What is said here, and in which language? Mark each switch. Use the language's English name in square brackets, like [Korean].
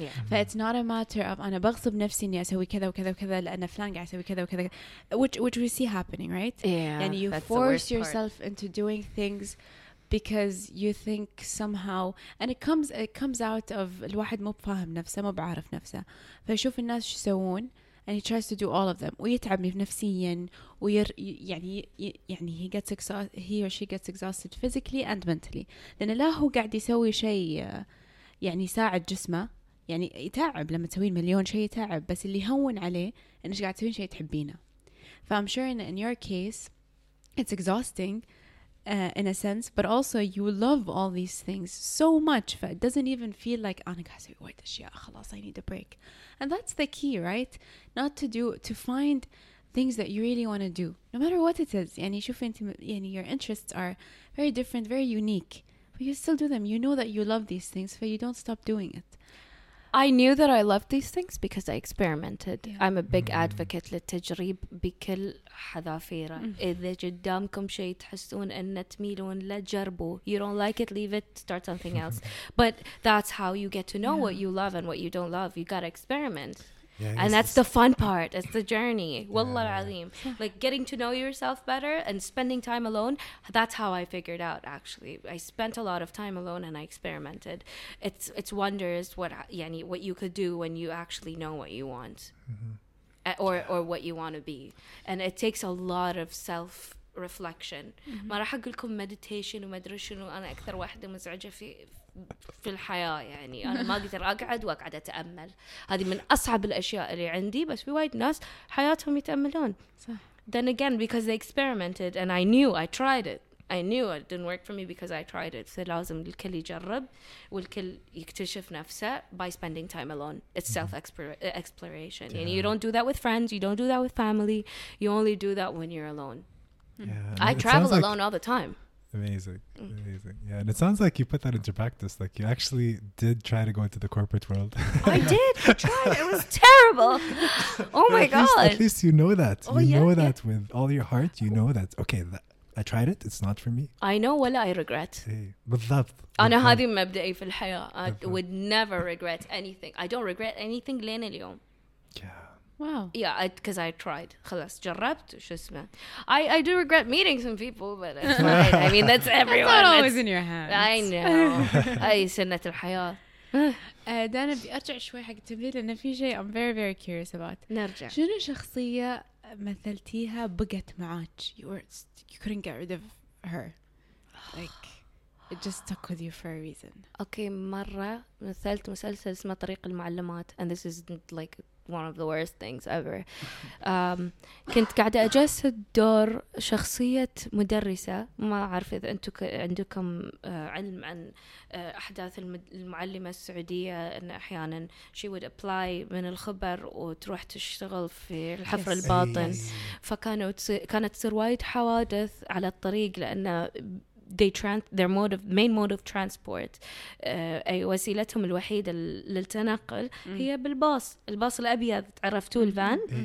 [Arabic] ف [English] it's not a matter of [Arabic] أنا بغصب نفسي إني أسوي كذا وكذا وكذا لأن فلان قاعد يسوي كذا وكذا. [English] Which we see happening, right? Yeah. And you force yourself into doing things because you think somehow, and it comes out of [Arabic] الواحد مو بفاهم نفسه مو بعارف نفسه. فيشوف الناس شو يسوون. [English] And he tries to do all of them. [Arabic] ويتعب نفسيا يعني [English] he gets exhausted, he or she gets exhausted physically and mentally. [Arabic] لأن لا هو قاعد يسوي شيء يعني يساعد جسمه يعني يتعب لما تسوين مليون شيء يتعب بس اللي هون عليه إنك قاعد تسوين شيء تحبينه. [English] ف I'm sure in your case it's exhausting in a sense, but also you love all these things so much that it doesn't even feel like [Arabic] أنا قاعد أسوي وايد أشياء خلاص [English] I need a break. And that's the key, right? Not to do, to find things that you really want to do. No matter what it is. [Arabic] يعني شوف انت, يعني [English] your interests are very different, very unique. But you still do them. You know that you love these things, but you don't stop doing it. I knew that I loved these things because I experimented. Yeah. I'm a big advocate [Arabic] للتجريب بكل حذافيره. إذا قدامكم شيء تحسون أن تميلون لجربوا. [English] You don't like it, leave it, start something else. But that's how you get to know what you love and what you don't love. You gotta experiment. Yeah, and that's the fun part. It's the journey. [Arabic] Wallah alim. [English] Like getting to know yourself better and spending time alone. That's how I figured out, actually. I spent a lot of time alone and I experimented. It's wonders what you could do when you actually know what you want. Mm-hmm. Or what you want to be. And it takes a lot of self-reflection. [Arabic] ما راح أقول لكم meditation وما أدري شنو أنا أكثر واحدة مزعجة في الحياة يعني أنا ما أقدر أقعد وأقعد أتأمل هذه من أصعب الأشياء اللي عندي بس في وايد ناس حياتهم يتأملون صح. [English] Then again because they experimented and I knew I tried it I knew it didn't work for me because I tried it [Arabic] فلازم الكل يجرب والكل يكتشف نفسه [English] by spending time alone it's self exploration yeah. And you don't do that with friends you don't do that with family you only do that when you're alone yeah. I travel alone like all the time. Amazing. Yeah, and it sounds like you put that into practice. Like you actually did try to go into the corporate world. I did. I tried. It was terrible. Oh my God. At least you know that. You know that with all your heart. You know that. Okay, I tried it. It's not for me. I know. ولا I regret. Hey, بالضبط. [Arabic] أنا هذه مبدئي في الحياة. [English] I would never regret anything. I don't regret anything [Arabic] لين اليوم. [English] Yeah. Wow. Yeah, because I tried. [Arabic] خلاص جربت شو اسمه. [English] I do regret meeting some people, but it's fine. I mean, that's everyone. That's not always in your hands. I know. [Arabic] أي سنة الحياة. دانا بأرجع شوي حق تمثيل لأن في شيء [English] I'm very very curious about. [Arabic] نرجع. شنو شخصية مثلتيها بقت معك? [English] You couldn't get rid of her. Like, it just stuck with you for a reason. Okay, [Arabic] مرة مثلت مسلسل اسمه طريق المعلمات [English] and this isn't like one of the worst things ever. [Arabic] كنت قاعدة أجسد دور شخصية مدرسة ما أعرف إذا أنتوا عندكم علم عن أحداث المعلمة السعودية أن أحيانا [English] she would apply [Arabic] من الخبر وتروح تشتغل في الحفر الباطن فكانت تصير وايد حوادث على الطريق لأن [English] their mode of main mode of transport [Arabic] اي وسيلتهم الوحيدة للتنقل هي بالباص الباص الأبيض عرفتوه الفان